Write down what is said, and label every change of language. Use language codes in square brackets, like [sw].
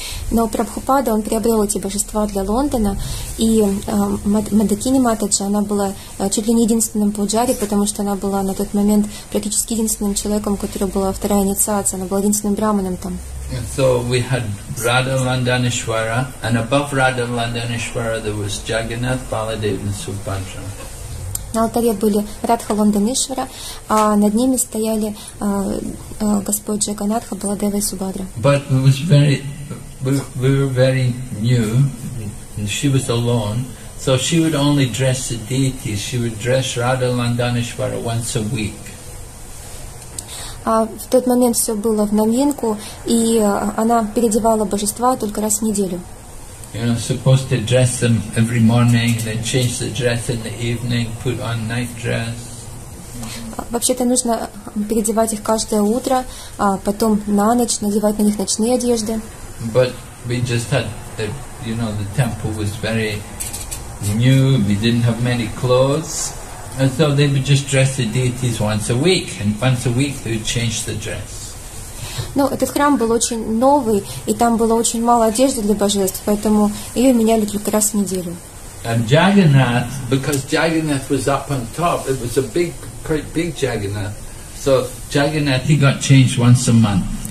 [ru] Но Прабхупада, он приобрел эти божества для Лондона, и Мандакини Матаджи, она была чуть ли не единственным пуджари, потому что она была на тот момент практически единственным человеком, который была вторая инициация, она была единственным брахманом там. [en] So we had Radha Landanishwara, and above Radha Landanishwara there was Jagannath, Baladev and Subhadra. [ru] На алтаре были Радха Ланданишвара, а над ними стояли Господь Джаганатха, Баладева и Субхадра. [en] But it was very... We were very new, and she was alone, so she would only dress the deities. She would dress Radha Landanishwara once a week. [ru] В тот момент все было в новинку, и она переодевала божества только раз в неделю. [en] You know, supposed to dress them every morning, then change the dress in the evening, put on night dress. [ru] Вообще-то нужно переодевать их каждое утро, а потом на ночь надевать на них ночные одежды. [en] But we just had, you know, the temple was very new, we didn't have many clothes, and so they would just dress the deities once a week, and once a week they would change the dress. [ru] Но этот храм был очень новый, и там было очень мало одежды для божеств, поэтому ее меняли только раз в неделю. [en] And Jagannath, because Jagannath was up on top, it was a big, quite big Jagannath, so Jagannath, he got changed once a month.